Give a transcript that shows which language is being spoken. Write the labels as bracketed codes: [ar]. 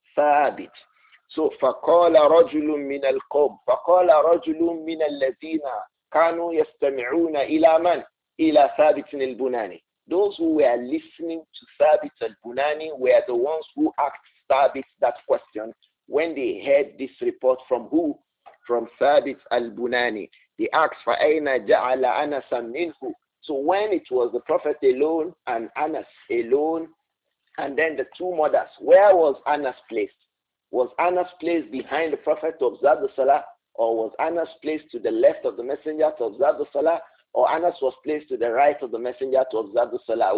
[ar] Thabit. So فَقَالَ رَجُلٌ مِّنَ الْقَوْمِ فَقَالَ رَجُلٌ مِّنَ الَّذِينَ كَانُوا يَسْتَمِعُونَ إِلَى مَنْ إِلَى ثَابِتٍ الْبُنَانِ. [en] Those who were listening to Thabit al-Bunani were the ones who asked Thabit that question when they heard this report from who? From Thabit al-Bunani. They asked [ar] فَأَيْنَ جَعَلَ أَنَسًا مِّنْهُ. [en] So when it was the Prophet alone and Anas alone and then the two mothers, where was Anas placed? Was Anas placed behind the Prophet to observe the Salah? Or was Anas placed to the left of the Messenger to observe the Salah? Or Anas was placed to the right of the Messenger to observe the Salah?